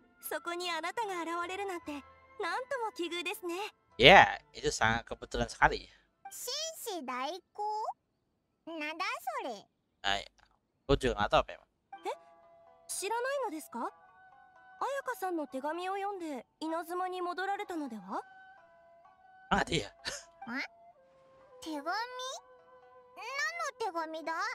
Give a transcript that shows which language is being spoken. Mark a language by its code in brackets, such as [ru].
[ja] そこにあなたが現れるなんて、なんとも奇遇ですね。 [id] Yeah, itu sangat kebetulan sekali. [ja] 紳士代行？なんだそれ？はい、こっちがあったわけよ。え？知らないのですか？彩香さんの手紙を読んで稲妻に戻られたのでは？あ、でや。ん？手紙？何の手紙だ？